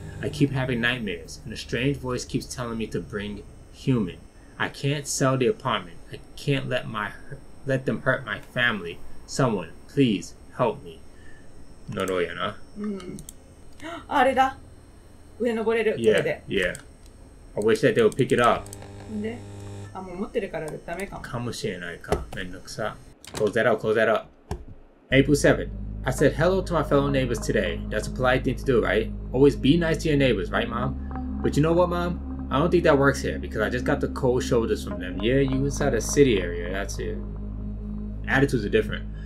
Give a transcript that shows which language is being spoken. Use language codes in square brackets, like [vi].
[en] I keep having nightmares and a strange voice keeps telling me to bring human. I can't sell the apartment. I can't let them hurt my family. Someone, please help me. Noroyana. [ja] Arida. 上登れる、これで。 [en] Yeah. I wish that they would pick it up. [ja] で、あ、もう持ってるからダメかも。かもしれないか。めんどくさ。 [en] Close that up. April 7th. I said hello to my fellow neighbors today. That's a polite thing to do, right? Always be nice to your neighbors, right, Mom? But you know what, Mom? I don't think that works here because I just got the cold shoulders from them. Yeah, you inside a city area, that's it. Attitudes are different.